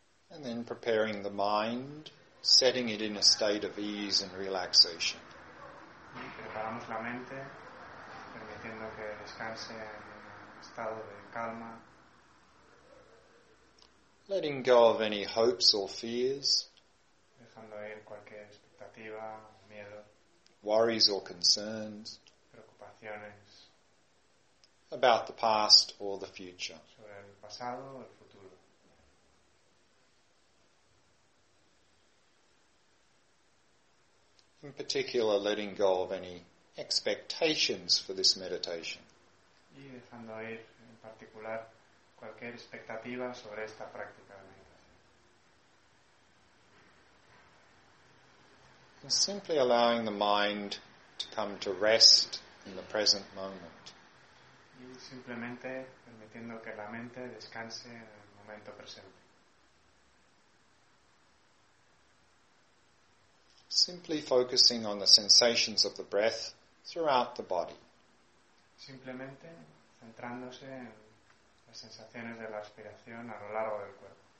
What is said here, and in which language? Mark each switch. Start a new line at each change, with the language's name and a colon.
English: And then preparing the mind, setting it in a state of ease and relaxation.
Spanish: Preparamos la mente, permitiendo que descanse en estado de calma.
English: Letting go of any hopes or fears.
Spanish: Dejando ir cualquier expectativa, miedo.
English: Worries or concerns.
Spanish: Preocupaciones. preocupaciones
English: about the past or the future.
Spanish: Sobre el pasado o el futuro.
English: In particular, letting go of any expectations for this meditation.
Spanish: Y dejando ir en particular cualquier expectativa sobre esta práctica.
English: Simply allowing the mind to come to rest in the present moment.
Spanish: Y simplemente permitiendo que la mente descanse en el momento presente.
English: Simply focusing on the sensations of the breath throughout the body.
Spanish: Simplemente centrándose en las sensaciones de la respiración a lo largo del cuerpo.